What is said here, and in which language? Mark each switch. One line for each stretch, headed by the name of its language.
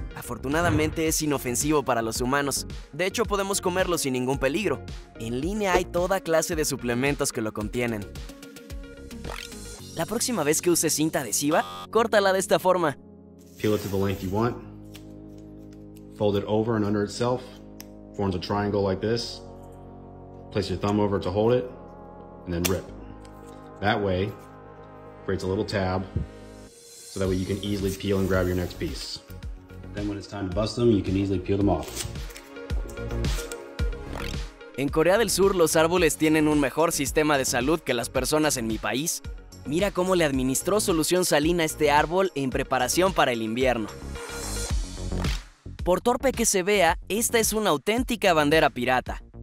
Spanish: afortunadamente es inofensivo para los humanos. De hecho, podemos comerlo sin ningún peligro. En línea hay toda clase de suplementos que lo contienen. La próxima vez que uses cinta adhesiva, córtala de esta forma.
English: Peel it to the length you want. Fold it over and under itself. Forms a triangle like this. Place your thumb over to hold it. And then rip. That way, creates a little tab. So that way you can easily peel and grab your next piece. Then when it's time to bust them, you can easily peel them off.
Spanish: En Corea del Sur, los árboles tienen un mejor sistema de salud que las personas en mi país. Mira cómo le administró solución salina a este árbol en preparación para el invierno. Por torpe que se vea, esta es una auténtica bandera pirata.